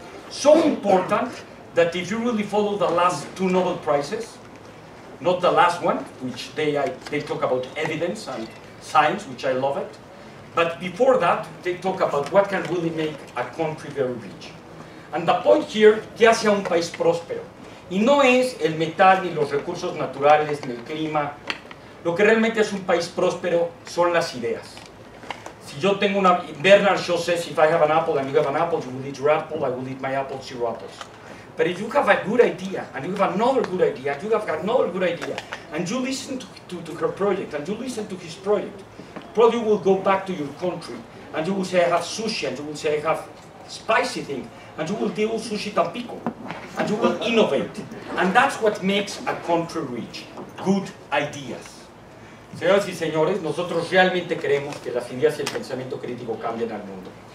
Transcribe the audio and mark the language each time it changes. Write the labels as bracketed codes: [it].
[en] So important that if you really follow the last two Nobel Prizes, not the last one, which they talk about evidence and science, which I love it, but before that, they talk about what can really make a country very rich. And the point here, [es] que hace a un país próspero. Y no es el metal, ni los recursos naturales, ni el clima. Lo que realmente es un país próspero son las ideas. Si yo tengo una... [en] Bernard Shaw says, if I have an apple and you have an apple, you will eat your apple, I will eat my apple, zero apples. But if you have a good idea, and you have another good idea, you have another good idea, and you listen to her project, and you listen to his project, probably you will go back to your country, and you will say, I have sushi, and you will say, I have spicy thing, and you will deal sushi Tampico, and you will innovate. And that's what makes a country rich, good ideas. [es] Señoras y señores, nosotros realmente creemos que las ideas y el pensamiento crítico cambian al mundo.